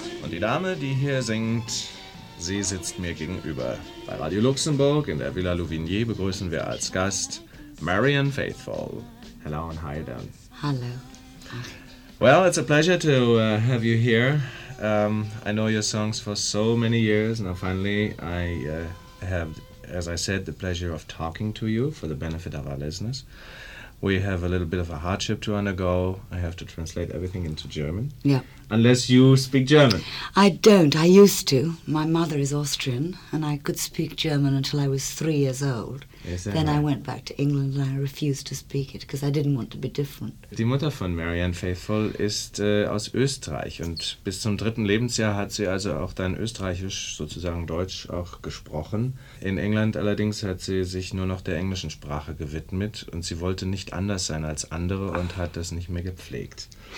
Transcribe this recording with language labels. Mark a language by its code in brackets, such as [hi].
[de] Die Dame, die hier singt, sie sitzt mir gegenüber. Bei Radio Luxemburg in der Villa Louvignier begrüßen wir als Gast Marianne Faithful. [en] Hello and hi there. Hello. Well, it's a pleasure to have you here. I know your songs for so many years. Now finally, I have, as I said, the pleasure of talking to you for the benefit of our listeners. we have a little bit of a hardship to undergo. I have to translate everything into German. Yeah. Unless you speak German. I don't. I used to. My mother is Austrian, and I could speak German until I was 3 years old. Is that then right? I went back to England, and I refused to speak it, because I didn't want to be different. [de] Die Mutter von Marianne Faithfull ist aus Österreich, und bis zum dritten Lebensjahr hat sie also auch dann Österreichisch, sozusagen Deutsch, auch gesprochen. In England allerdings hat sie sich nur noch der englischen Sprache gewidmet, und sie wollte nicht anders sein als andere und hat das nicht mehr gepflegt.